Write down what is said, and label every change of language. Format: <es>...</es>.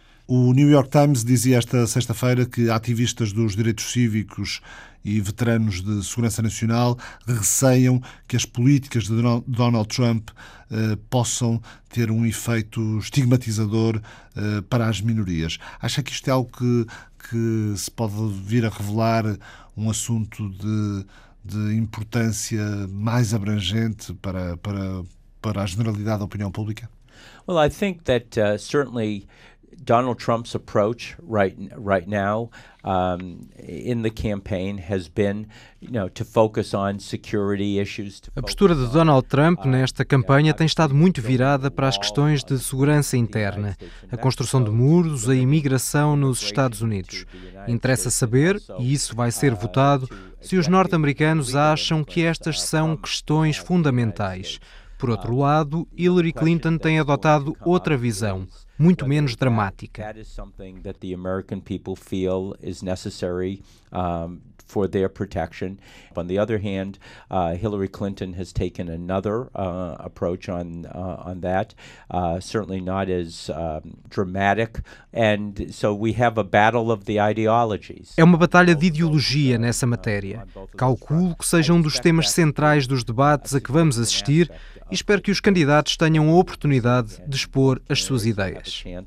<pt>O New York Times dizia esta sexta-feira que ativistas dos direitos cívicos e veteranos de segurança nacional receiam que as políticas de Donald Trump possam ter um efeito estigmatizador para as minorias. Acha que isto é algo que se pode vir a revelar um assunto de importância mais abrangente para a generalidade da opinião pública?</pt> <en>Well, I think that certainly Donald Trump's approach right now in the campaign has been, you know, to focus on security issues.</en> <pt>A postura de Donald Trump nesta campanha tem estado muito virada para as questões de segurança interna, a construção de muros, a imigração nos Estados Unidos. Interessa saber, e isso vai ser votado, se os norte-americanos acham que estas são questões fundamentais. Por outro lado, Hillary Clinton tem adotado outra visão, muito menos dramática.</pt> <en>That is something that the American people feel is necessary for their protection. On the other hand, Hillary Clinton has taken another approach on that, certainly not as dramatic. And so we have a battle of the ideologies.</en> <pt>É uma batalha de ideologia nessa matéria. Calculo que seja um dos temas centrais dos debates a que vamos assistir. E espero que os candidatos tenham a oportunidade de expor as suas ideias.</pt>